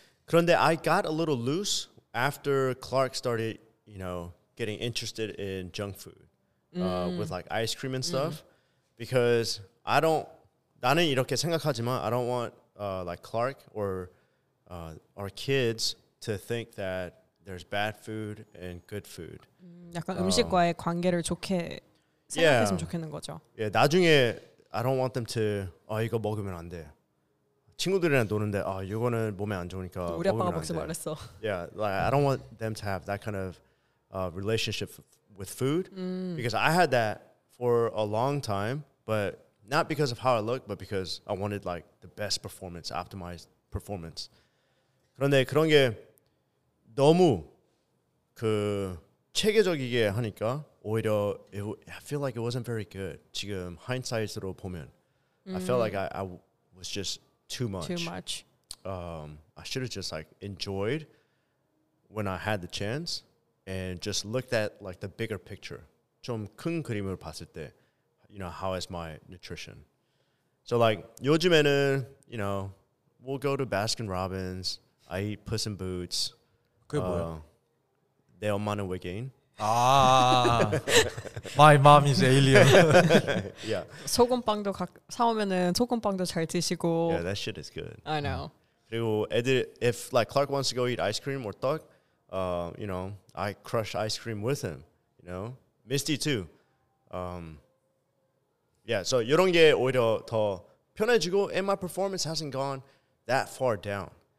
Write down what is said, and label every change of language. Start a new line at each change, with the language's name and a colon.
Korean: 그런데
English: I got a little loose after Clark started, you know, getting interested in junk food with like ice cream and stuff because I don't
Korean: 나는 이렇게 생각하지만
English: I don't want like Clark or our kids to think that there's bad food and good food.
Korean: 약간 음식과의 관계를 좋게 생각했으면 좋겠는 거죠. 예, 나중에
English: I don't want them to
Korean: 이거 먹으면 안 돼. 친구들이랑 노는데 아 이거는 몸에 안 좋으니까 우리 아빠가 먹지 말랬어.
English: Yeah, like I don't want them to have that kind of relationship with food because I had that for a long time, but not because of how I look, but because I wanted like the best performance, optimized performance.
Korean: 그런데 그런 게 너무 그 체계적이게 하니까 오히려
English: I feel like it wasn't very good.
Korean: 지금 hindsight으로 보면
English: I felt like I was just Too much. I should have just like enjoyed when I had the chance and just looked at like the bigger picture.
Korean: 좀 큰 그림을 봤을 때,
English: you know, how is my nutrition? So like
Korean: 요즘에는,
English: you know, we'll go to Baskin Robbins. I eat Puss in Boots.
Korean: 그게 뭐야? 내 엄마는 외계인.
English: 아, my mom is alien. yeah.
Korean: 소금빵도 사 오면은 소금빵도 잘 드시고.
English: Yeah, that shit is good. I know.
Korean: 그리고 애들,
English: if like Clark wants to go eat ice cream or thug, you know, I crush ice cream with him. You know, Misty too. Yeah, so
Korean: 이런 게 오히려 더 편해지고
English: and my performance hasn't gone that far down.